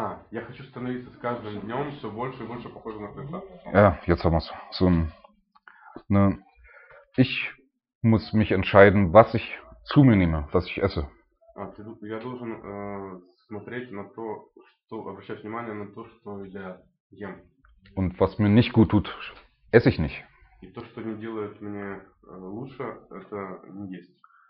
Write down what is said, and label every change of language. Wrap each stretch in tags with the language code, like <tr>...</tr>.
<ru>Я хочу становиться с каждым днем все больше и больше похожим на Христа.</ru> <de>Jetzt haben wir es. Ich muss mich entscheiden, was ich zu mir nehme, was ich esse.</de> <ru>Я должен смотреть на то, что обращать внимание на то, что я ем.</ru> <de>Und was mir nicht gut tut, esse ich nicht.</de> <ru>И то, что не делает мне лучше, это не есть.</ru>